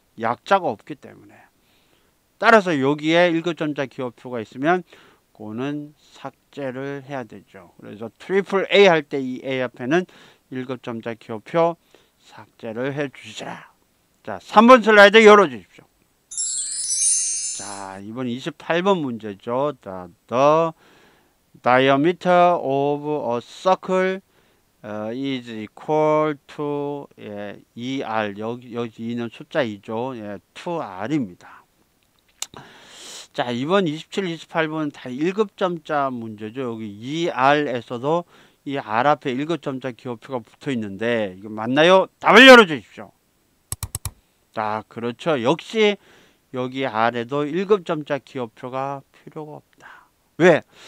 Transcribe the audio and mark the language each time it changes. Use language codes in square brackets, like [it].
[ko] 약자가 없기 때문에. 따라서 여기에 1급 점자 기호표가 있으면 그거는 삭제를 해야 되죠. 그래서 트리플 A 할때이 A 앞에는 1급 점자 기호표 삭제를 해 주시라. 자, 3번 슬라이드 열어 주십시오. 자, 이번 28번 문제죠. [en] 자, the diameter of a circle is equal to ER. [ko] 여기 2는 숫자이죠. 예, 2R입니다. 자, 이번 27, 28번은 다 1급 점자 문제죠. 여기 ER에서도 이 R 앞에 1급 점자 기호표가 붙어 있는데, 이거 맞나요? 답을 열어 주십시오. 자, 그렇죠. 역시 여기 R에도 1급 점자 기호표가 필요가 없다. 왜?